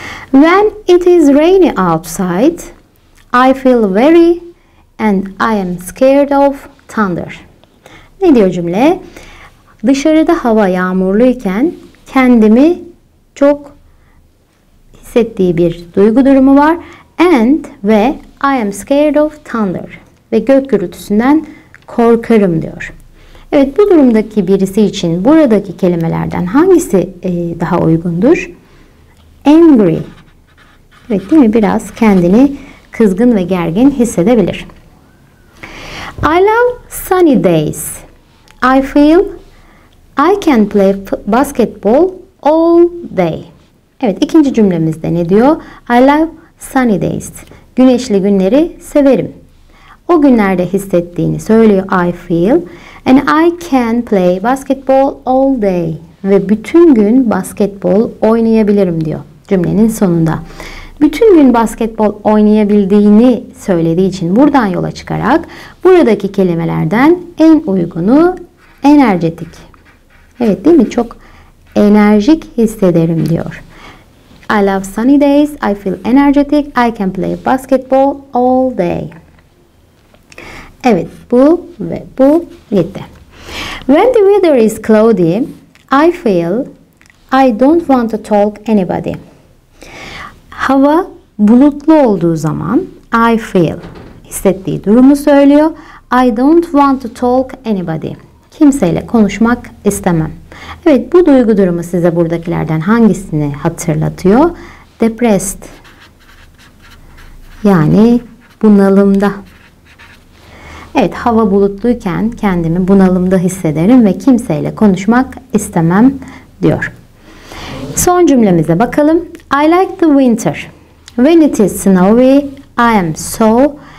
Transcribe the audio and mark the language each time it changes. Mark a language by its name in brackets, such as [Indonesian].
[English] When it is rainy outside, I feel very and I am scared of thunder. [Turkish] Ne diyor cümle? Dışarıda hava yağmurluyken kendimi çok hissettiği bir duygu durumu var. And ve [English] I am scared of thunder. [Turkish] Ve gök gürültüsünden korkarım diyor. Evet, bu durumdaki birisi için buradaki kelimelerden hangisi daha uygundur? Angry. Evet, değil mi? Biraz kendini kızgın ve gergin hissedebilir. [English] I love sunny days. I feel I can play basketball all day. [Turkish] Evet, ikinci cümlemizde ne diyor? [English] I love sunny days. [Turkish] Güneşli günleri severim. O günlerde hissettiğini söylüyor. [English] I feel and I can play basketball all day. [Turkish] Ve bütün gün basketbol oynayabilirim diyor cümlenin sonunda. Bütün gün basketbol oynayabildiğini söylediği için buradan yola çıkarak buradaki kelimelerden en uygunu energetik. Evet, değil mi? Çok enerjik hissederim diyor. [English] I love sunny days. I feel energetic. I can play basketball all day. [Turkish] Evet, bu ve bu yetti. [English] When the weather is cloudy, I feel I don't want to talk anybody. [Turkish] Hava bulutlu olduğu zaman [English] I feel [Turkish] hissettiği durumu söylüyor. [English] I don't want to talk anybody. [Turkish] Kimseyle konuşmak istemem. Evet, bu duygu durumu size buradakilerden hangisini hatırlatıyor? Depressed. Yani bunalımda. Evet, hava bulutluyken kendimi bunalımda hissederim ve kimseyle konuşmak istemem diyor. Son cümlemize bakalım. [English] I like the winter. When it is snowy, I am so